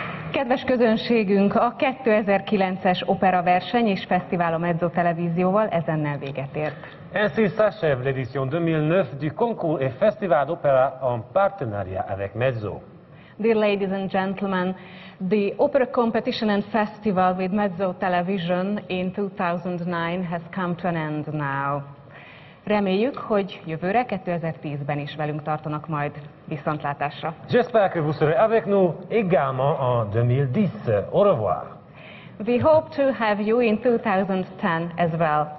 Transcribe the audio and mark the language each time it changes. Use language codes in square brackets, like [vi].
[hu] Kedves közönségünk, a 2009-es operaverseny és fesztivál a Mezzo Televízióval ezennel véget ért. [fr] Ainsi s'achève l'édition 2009 du concours et festival d'opéra en partenariat avec Mezzo. [en] Dear ladies and gentlemen, the opera competition and festival with Mezzo Television in 2009 has come to an end now. [hu] Reméljük, hogy jövőre 2010-ben is velünk tartanak majd. Viszontlátásra. [fr] J'espère que vous serez avec nous également en 2010. Au revoir. [en] We hope to have you in 2010 as well.